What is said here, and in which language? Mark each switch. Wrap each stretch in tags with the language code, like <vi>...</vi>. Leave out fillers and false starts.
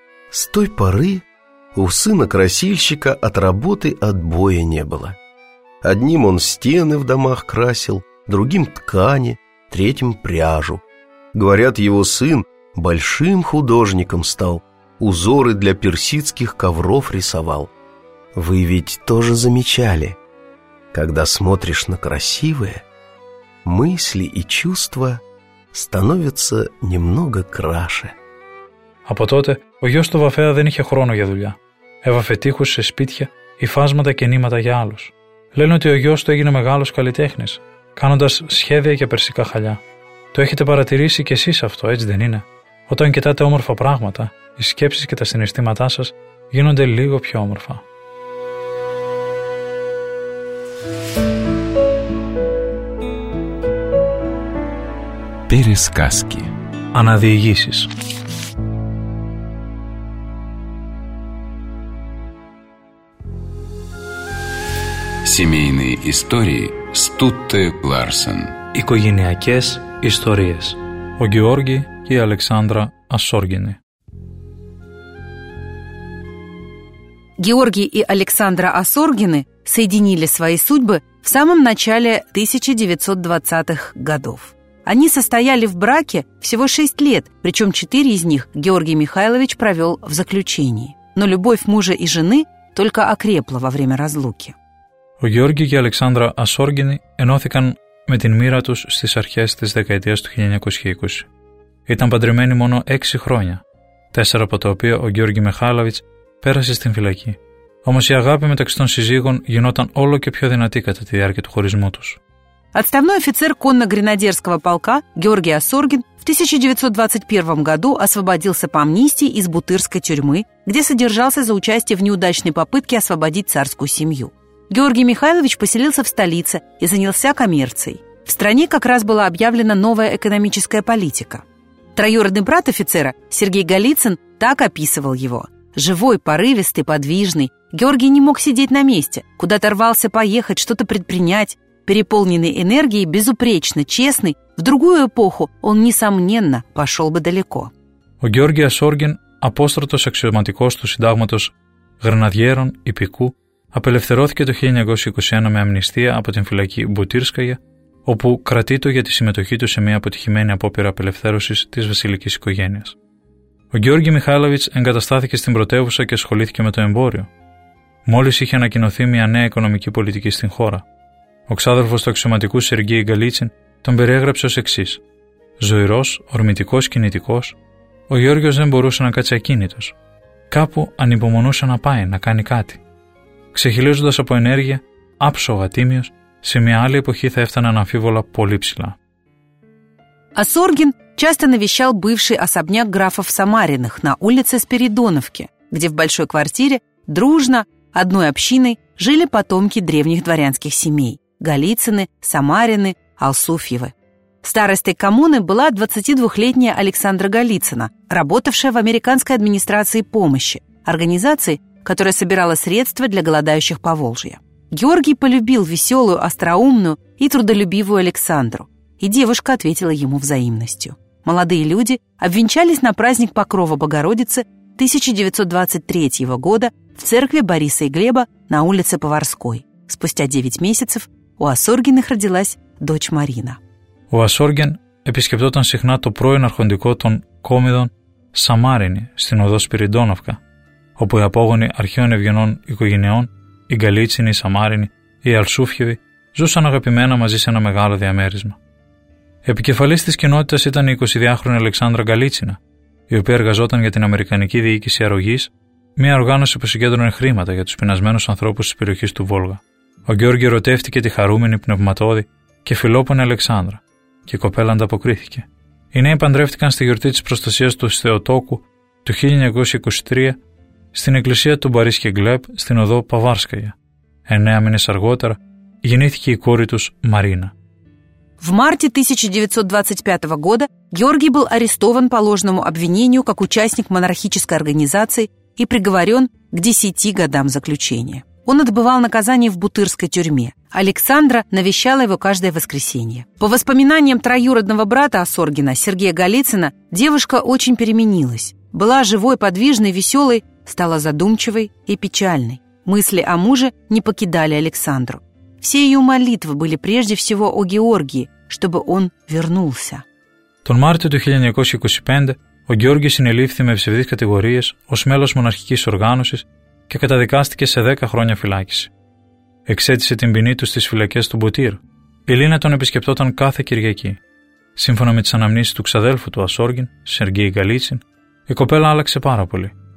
<ru>С той поры у сына красильщика от работы отбоя не было. Одним он стены в домах красил, другим ткани, третьим пряжу. Говорят, его сын большим художником стал, узоры для персидских ковров рисовал. Вы ведь тоже замечали, когда смотришь на красивое, мысли и чувства становятся немного краше.</ru> <el>Από τότε ο γιος του Βαφέα δεν είχε χρόνο για δουλειά. Έβαφε τείχους σε σπίτια, υφάσματα και νήματα για άλλους. Λένε ότι ο γιος του έγινε μεγάλος καλλιτέχνης, κάνοντας σχέδια για περσικά χαλιά. Το έχετε παρατηρήσει κι εσείς αυτό, έτσι δεν είναι? Όταν κοιτάτε όμορφα πράγματα, οι σκέψεις και τα συναισθήματά σας γίνονται λίγο πιο όμορφα.</el> <ru>Пересказки.</ru> <el>Αναδιηγήσεις.</el> <ru>Семейные истории Стутте Ларсен.</ru> <el>Οικογενειακές ιστορίες. Ο Γεώργη και η Αλεξάνδρα Ασόργινη.</el> <ru>Георгий и Александра Осоргины соединили свои судьбы в самом начале 1920-х годов. Они состояли в браке всего 6 лет, причем 4 из них Георгий Михайлович провел в заключении. Но любовь мужа и жены только окрепла во время разлуки.</ru> <el>Ο Георгий και η Αλεξάνδρα Ασόργινη ενώθηκαν με την μοίρα τους στις αρχές της δεκαετίας του 1920. Ήταν παντρεμένοι μόνο 6 χρόνια, 4 από τα οποία ο Γιώργη Μιχάλαβιτς πέρασε στην φυλακή. Όμως η αγάπη μεταξύ των συζύγων γινόταν όλο και πιο δυνατή κατά τη διάρκεια του χωρισμού τους.</el> <ru>Отставной офицер конно-гренадерского полка Георгий Осоргин в 1921 году освободился по амнистии из Бутырской тюрьмы, где содержался за участие в неудачной попытке освободить царскую семью. Георгий Михайлович поселился в столице и занялся коммерцией. В стране как раз была объявлена новая экономическая политика. Троюродный брат офицера Сергей Голицын так описывал его. «Живой, порывистый, подвижный. Георгий не мог сидеть на месте, куда-то рвался поехать, что-то предпринять. Переполненный энергией, безупречно честный, в другую эпоху он, несомненно, пошел бы далеко».</ru> <el>Ο Γιώργη Ασόργιν, απόστρατος αξιωματικός του συντάγματος Γρεναδιέρων Υπηκού, απελευθερώθηκε το 1921 με αμνηστία από την φυλακή Μπουτίρσκαγια, όπου κρατείται για τη συμμετοχή του σε μια αποτυχημένη απόπειρα απελευθέρωσης της βασιλικής οικογένειας. Ο Γιώργη Μιχάλαβιτς εγκαταστάθηκε στην πρωτεύουσα και ασχολήθηκε με το εμπόριο, μόλις είχε ανακοινωθεί μια νέα οικονομική πολιτική στην χώρα. Ο ξάδελφος του αξιωματικού Σεργέη Γκαλίτσιν τον περιέγραψε ως εξής. Ζωηρός, ορμητικός, κινητικός, ο Γιώργιος δεν μπορούσε να κάτσει ακίνητος. Κάπου ανυπομονούσε να πάει, να κάνει κάτι. Ξεχυλίζοντας από ενέργεια, άψογα τίμιος, σε μια άλλη εποχή θα έφταναν αμφίβολα πολύ ψηλά.</el> <ru>Ασόργιν часто навещал бывший особняк графов Самариных на улице Спиридоновке, где в большой квартире дружно, одной общиной, жили потомки древних дворянских семей – Голицыны, Самарины, Алсуфьевы. Старостой коммуны была 22-летняя Александра Голицына, работавшая в Американской администрации помощи, организации, которая собирала средства для голодающих по Волжье. Георгий полюбил веселую, остроумную и трудолюбивую Александру, и девушка ответила ему взаимностью. Молодые люди обвенчались на праздник Покрова Богородицы 1923 года в церкви Бориса и Глеба на улице Поварской. Спустя 9 месяцев у Ασόργιν родилась дочь Марина.</ru> <el>Ο Ασόργιν επισκεπτόταν συχνά το πρώην αρχοντικό των Κόμιδων Σαμάρινη στην οδό Σπυριντόνοφκα, όπου οι απόγονοι αρχαίων ευγενών οικογενειών, οι Γκαλίτσινοι, οι Σαμάρινοι, οι Αλσούφιεβοι, ζούσαν αγαπημένα μαζί σε ένα μεγάλο διαμέρισμα. Επικεφαλής της κοινότητας ήταν η 22χρονη Αλεξάνδρα Γκαλίτσινα, η οποία εργαζόταν για την Αμερικανική Διοίκηση Αρρωγής, μια οργάνωση που συγκέντρωνε χρήματα για τους πεινασμένους ανθρώπους της περιοχής του Βόλγα. Ο Γιώργη ερωτεύτηκε τη χαρούμενη, πνευματώδη και φιλόπονη Αλεξάνδρα, και η κοπέλα ανταποκρίθηκε. Οι νέοι παντρεύτηκαν στη γιορτή της προστασίας του Θεοτόκου του 1923 στην εκκλησία του Μπαρίσκε Γκλέπ στην οδό Παβάρσκαγια. 9 μήνες αργότερα γεννήθηκε η κόρη τους Μαρίνα.</el> <ru>В марте 1925 года Георгий был арестован по ложному обвинению как участник монархической организации и приговорен к 10 годам заключения. Он отбывал наказание в Бутырской тюрьме. Александра навещала его каждое воскресенье. По воспоминаниям троюродного брата Ασόργιν, Сергея Голицына, девушка очень переменилась. Была живой, подвижной, веселой, стала задумчивой и печальной. Мысли о муже не покидали Александру. Все ее молитвы были прежде всего о Георгии, чтобы он вернулся.</ru> <el>Τον Μάρτιο του 1925 ο Γιώργης συνελήφθη με ψευδείς κατηγορίες ως μέλος μοναρχικής οργάνωσης και καταδικάστηκε σε 10 χρόνια φυλάκιση. Εξέτησε την ποινή του στις φυλακές του Μπουτίρ. Η Λίνα τον επισκεπτόταν κάθε Κυριακή. Σύμφωνα με τις αναμνήσεις του ξαδέλφου του Ασόργιν, Σεργέη Γκαλίτσιν, η κοπέλα άλλαξε πάρα πολύ.</el>